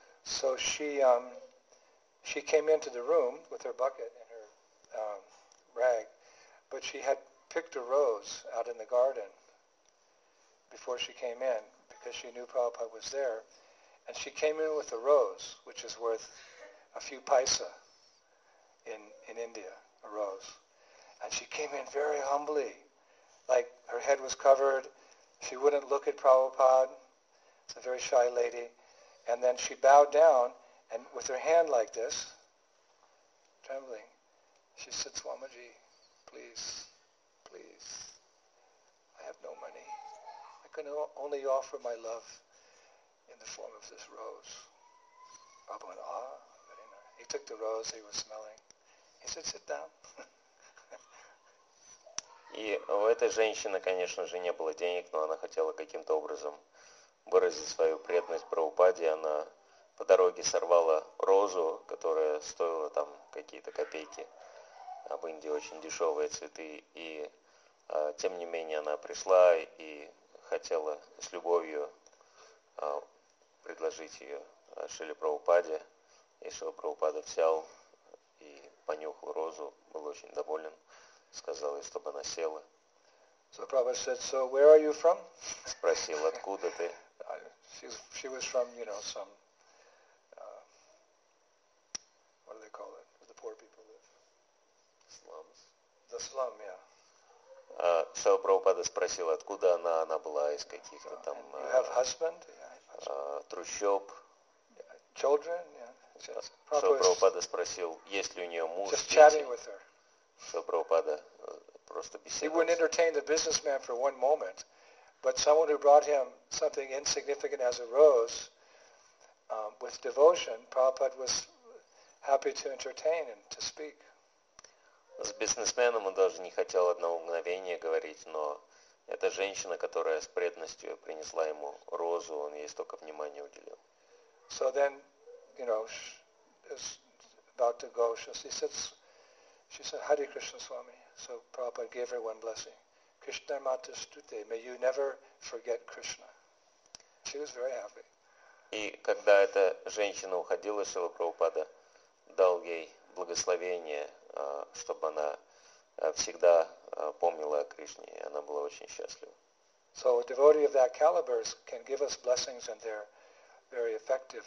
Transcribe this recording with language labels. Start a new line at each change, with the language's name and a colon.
English: So she came into the room with her bucket and her rag, but she had picked a rose out in the garden before she came in, because she knew Prabhupada was there. And she came in with a rose, which is worth a few paisa in India, a rose. And she came in very humbly, like her head was covered. She wouldn't look at Prabhupada. It's a very shy lady. And then she bowed down, and with her hand like this, trembling, she said, "Swamiji, please, please, I have no money. I can only offer my love in the form of this rose." Prabhupada went, "Ah, very nice." He took the rose he was smelling. He said, "Sit down."
Russian: И у этой женщины, конечно же, не было денег, но она хотела каким-то образом выразить свою преданность Прабхупаде. Она по дороге сорвала розу, которая стоила там какие-то копейки. А в Индии очень дешевые цветы. И тем не менее она пришла и хотела с любовью предложить ее Шриле Прабхупаде. И Шрила Прабхупада взял и понюхал розу, был очень доволен. Сказала, чтобы она села.
English: So Prabhupada said, "So where are you from?"
Russian: Спросил, откуда ты?
English: She was from, you know, some, what do they call it, where the poor people live? Slums. The slum, yeah.
Russian: Шрила Прабхупада спросил, откуда она была, из каких-то там...
English: You have husband?
Russian: Трущоб.
English: Children?
Russian: Шрила Прабхупада спросил, есть ли у нее муж, дети?
English: Just chatting with her.
Russian: Шрила Прабхупада просто беседовал.
English: He wouldn't entertain the businessman for one moment, but someone who brought him something insignificant as a rose, with devotion, Prabhupada was happy to entertain and to speak.
Russian: С бизнесменом он даже не хотел одного мгновения говорить, но эта женщина, которая с преданностью принесла ему розу, он ей столько внимания уделил.
English: So then, you know, is about to go. She said, "Hare Krishna Swami." So Prabhupada gave her one blessing. "Krishna Mata Stute, may you never forget Krishna." She was very happy.
Russian: И когда эта женщина уходила, Шрила Прабхупада дал ей благословение, чтобы она всегда помнила о Кришне, и она была очень счастлива.
English: So a devotee of that caliber can give us blessings and they're very effective.